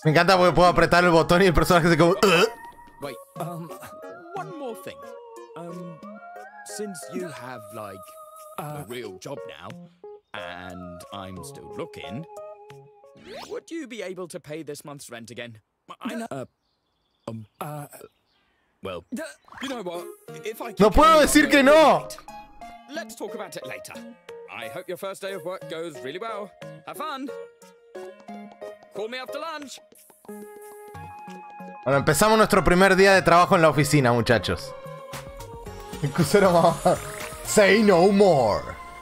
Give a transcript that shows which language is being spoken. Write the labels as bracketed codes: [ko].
[es] Me encanta porque puedo apretar el botón y el personaje se como. [en] Wait, one more thing. Since you have like a real job now, and I'm still looking, would you be able to pay this month's rent again? Well, you know what? If I can. [es] No puedo decir que no. [en] Let's talk about it later. I hope your first day of work goes really well. Have fun. Call me after lunch. [es] Bueno, empezamos nuestro primer día de trabajo en la oficina, muchachos. Incluso [en] say no more.